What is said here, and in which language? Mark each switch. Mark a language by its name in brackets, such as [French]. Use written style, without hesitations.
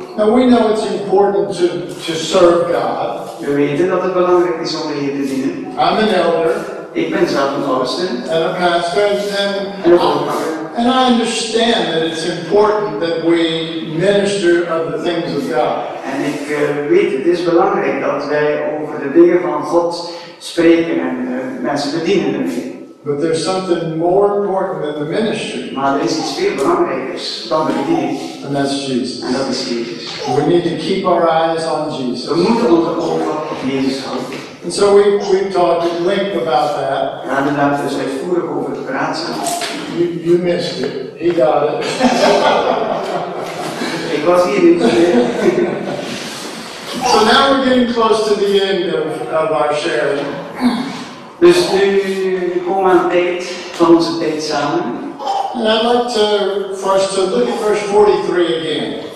[English] Now we know it's important to serve God. [Dutch] We weten dat het belangrijk is om de Heer te dienen. [English] I'm an elder. [Dutch] Ik ben zelf een oudsten. [English] And a pastor. And I understand that it's important that we minister of the things of God. [Dutch] En ik weet, het is belangrijk dat wij over de dingen van God spreken en mensen bedienen ermee. [English] But there's something more important than the ministry. [Dutch] Maar er is iets veel belangrijkers dan de bediening. [English] And that's Jesus. [Dutch] En dat is Jezus. [English] We need to keep our eyes on Jesus. [Dutch] We moeten onze ogen op Jezus houden. [English] And so we talked at length about that. [Dutch] We hadden daar dus uitvoerig over het praten. [English] You missed it. He got it. [Dutch] Ik was hier niet meer. [English] So now we're getting close to the end of our sharing. [Dutch] Dus nu komen we aan het eind van onze tijd samen. [English] And I'd like to first to look at verse 43 again.